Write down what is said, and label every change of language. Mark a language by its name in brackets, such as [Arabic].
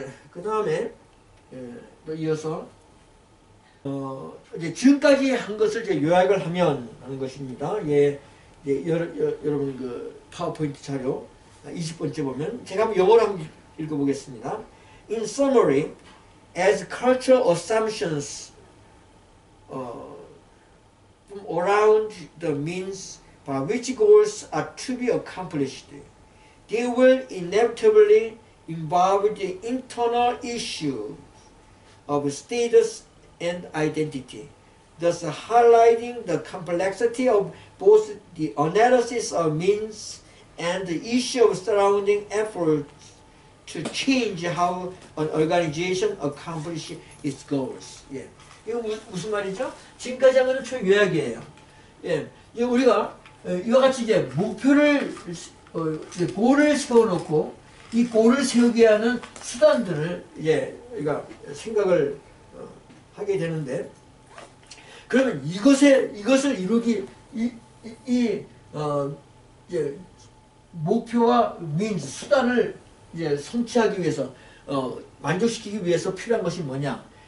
[Korean] 그 다음에, 또 이어서, 이제 지금까지 한 것을 이제 요약을 하면 하는 것입니다. 예. 이제 여러분 그 파워포인트 자료 20번째 보면, 제가 한번 영어로 한번 읽어보겠습니다. [English] In summary, as cultural assumptions around the means by which goals are to be accomplished, they will inevitably involve the internal issue of status and identity, thus highlighting the complexity of both the analysis of means and the issue of surrounding efforts to change how an organization accomplishes its goals. [Korean] 예. 이거 무슨 말이죠? 지금까지 한 거는 총 요약이에요. 예. 이제 우리가 이와 같이 이제 목표를, 이제 골을 세워놓고 이 골을 세우게 하는 수단들을 이제 우리가 생각을 하, 하게 되는데, 그러면 이것을 이루기, 이제 목표와 means, 수단을 이제 성취하기 위해서, 만족시키기 위해서 필요한 것이 뭐냐?